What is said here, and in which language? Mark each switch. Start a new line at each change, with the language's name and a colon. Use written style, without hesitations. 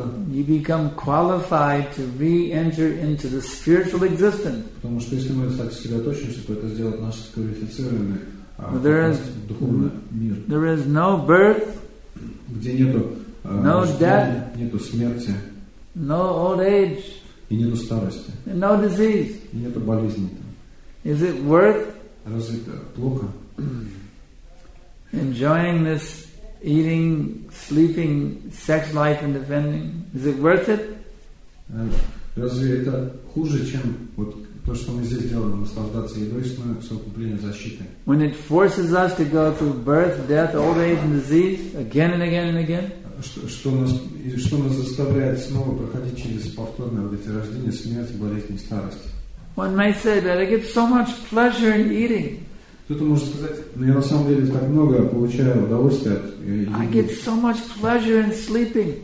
English: You become qualified to re-enter into the spiritual existence.
Russian: Потому что если мы так сосредоточимся, то это сделает нас квалифицированными в духовный мир.
English: There is no birth.
Russian: Где нету
English: no death.
Russian: Нету смерти.
English: No old age.
Russian: И нету старости.
English: And no disease.
Russian: И нету болезни.
English: Is it worth?
Russian: Разве это плохо?
English: Enjoying this. Eating, sleeping, sex life and defending. Is it worth it?
Russian: Разве это хуже, чем вот то, что мы здесь делаем, наслаждаться едой, самоукупление, защитой?
English: When it forces us to go through birth, death, old age and disease again and again and again?
Russian: Что нас заставляет снова проходить через повторное вот эти рождения, смерть, болезни, старость?
English: One might say that I get so much pleasure in eating.
Russian: Кто-то может сказать, но я на самом деле так много получаю удовольствия от еды.
English: I get so much pleasure in sleeping.